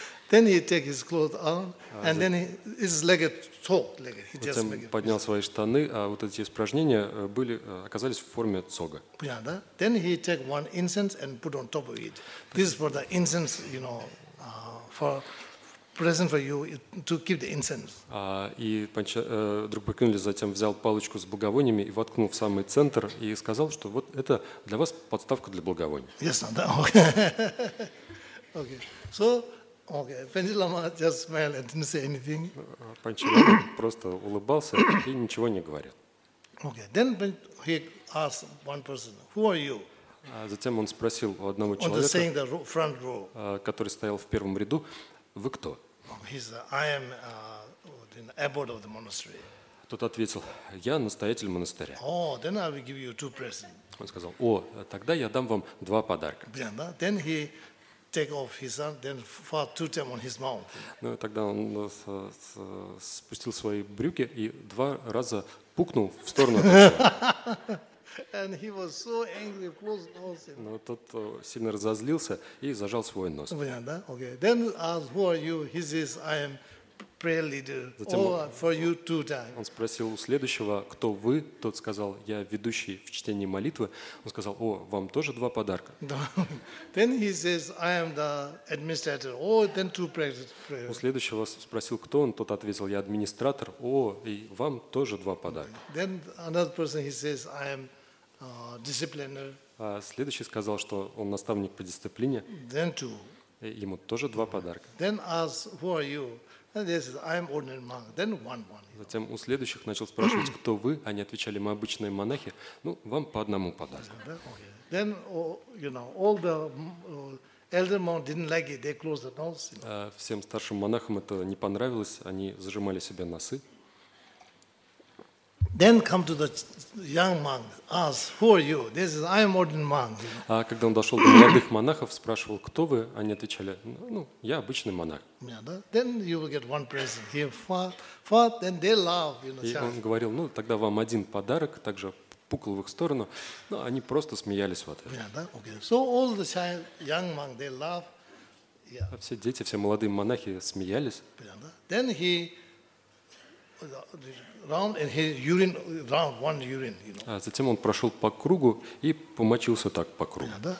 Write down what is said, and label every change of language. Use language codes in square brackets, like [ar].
[en] Then he take his clothes on, and then his leg цог. [ru] Затем поднял свои штаны, а вот эти испражнения были оказались в форме цога. [en] Then he take one incense and put on top of it. This is for the incense, you know, for present for you to keep the incense. [ru] И Drupa Kunle затем взял палочку с благовониями и воткнул в самый центр и сказал, что вот это для вас подставка для благовоний. [en] Yes, no, okay. Okay, so. Okay, Panchen Lama just smiled and didn't say anything. [ru] Панчен Лама просто улыбался и ничего не говорил. [en] Okay, then he asked one person, "Who are you?" [ru] Затем он спросил у одного человека, [en] on the front row, [ru] который стоял в первом ряду, "Вы кто?" [en] He said, "I am the abbot of the monastery." [ru] Тот ответил, "Я настоятель монастыря." [en] Oh, then I will give you two presents. [ru] Он сказал, "О, тогда я дам вам два подарка." [en] Then he take off his hand, then fart two times on his mouth. [ru] Ну тогда он спустил свои брюки и два раза пукнул в сторону. [en] And he was so angry, closed nose. [ru] Но тот сильно разозлился и зажал свой нос. [en] Okay. Then asked, "Who are you?" He says, "I am prayer leader." For you two times. [ru] Он спросил у следующего, кто вы? Тот сказал, "Я ведущий в чтении молитвы." Он сказал, "О, вам тоже два подарка." [en] Then he says, "I am the administrator." Then two prayers. [ru] У следующего спросил, кто он? Тот ответил, "Я администратор." И вам тоже два подарка. [en] Then another person he says, "I am discipliner." [ru] А следующий сказал, что он наставник по дисциплине. [en] Then two. [ru] Ему тоже два подарка. [en] Then ask, "Who are you?" And they said, "I am ordinary monk." Then one. [ru] Затем у следующих начал спрашивать, кто вы? Они отвечали, мы обычные монахи. Ну, вам по одному подарок. [en] Then, you know, all the elder monk didn't like it. They closed their nose. [ru] Всем старшим монахам это не понравилось. Они зажимали себе носы. [en] Then come to the young monk, ask, "Who are you?" They said, "I am ordinary monk." [ru] А когда он дошел до молодых монахов, спрашивал, кто вы? Они отвечали, ну, я обычный монах. [en] Then you will get one present. He fart, then they laugh. You know. [ru] И он говорил, ну, тогда вам один подарок, также пукал в их сторону. Ну, они просто смеялись в ответ. [en] Okay. So all the child, young monk, they laugh. Yeah. [ru] А все дети, все молодые монахи смеялись. [en] Then he round and his urine round one urine, you know. [ru] Затем он прошел по кругу и помочился так по кругу.